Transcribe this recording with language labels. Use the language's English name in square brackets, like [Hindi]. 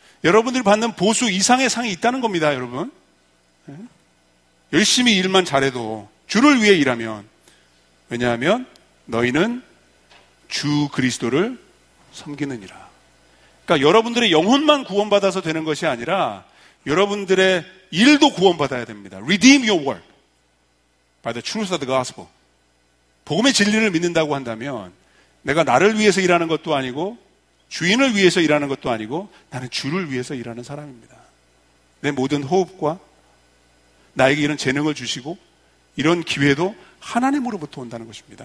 [Korean] 여러분들이 받는 보수 이상의 상이 있다는 겁니다, 여러분. 열심히 일만 잘해도 주를 위해 일하면 왜냐하면 너희는 주 그리스도를 섬기느니라. 그러니까 여러분들의 영혼만 구원받아서 되는 것이 아니라 여러분들의 일도 구원받아야 됩니다. [English] Redeem your work by the truth of the gospel. [Korean] 복음의 진리를 믿는다고 한다면 내가 나를 위해서 일하는 것도 아니고 주인을 위해서 일하는 것도 아니고 나는 주를 위해서 일하는 사람입니다. 내 모든 호흡과 나에게 이런 재능을 주시고 이런 기회도 하나님으로부터 온다는 것입니다.